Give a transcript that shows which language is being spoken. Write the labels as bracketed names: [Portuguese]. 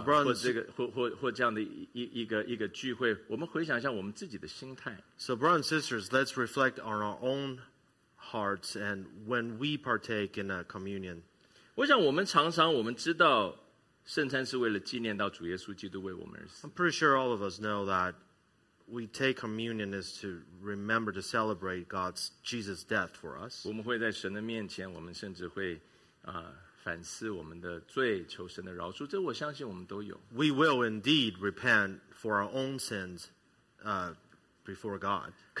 [English] brothers， [Chinese] 或这样的一个聚会，我们回想一下我们自己的心态。 [English] So brothers and sisters, let's reflect on our own hearts and when we partake in a communion. [Chinese] 我想我们常常我们知道圣餐是为了纪念到主耶稣基督为我们而死。 [English] I'm pretty sure all of us know that we take communion is to remember to celebrate Jesus' death for us. [Chinese] 我们会在神的面前，我们甚至会反思我们的罪，求神的饶恕。这我相信我们都有。 [English] We will indeed repent for our own sins before God.